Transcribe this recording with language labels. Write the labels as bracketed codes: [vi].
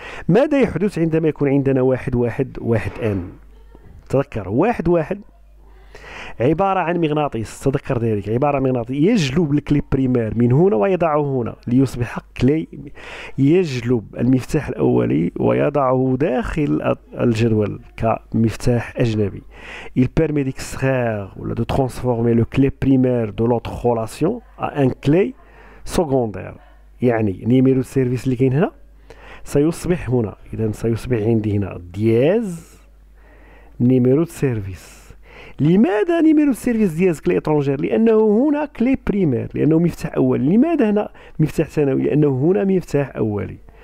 [ar] ماذا يحدث عندما يكون عندنا واحد واحد واحد ان؟ تذكر واحد واحد عبارة عن مغناطيس، تذكر ذلك، عبارة عن مغناطيس يجلب الكلي بريمير من هنا ويضعه هنا ليصبح كلي، يجلب المفتاح الأولي ويضعه داخل الجدول كمفتاح أجنبي. [fr] Il permet d'extraire ou de transformer le clé primaire de l'autre relation à un clé secondaire. [ar] يعني نيميرو السيرفيس اللي كاين هنا سيصبح هنا، إذا سيصبح عندي هنا دياز نيميرو السيرفيس. لماذا نيميرو سيرفيس دياز كلي اترونجير؟ لانه هنا كلي بريمير، لانه مفتاح اول. لماذا هنا مفتاح ثانوي؟ لانه هنا مفتاح اولي.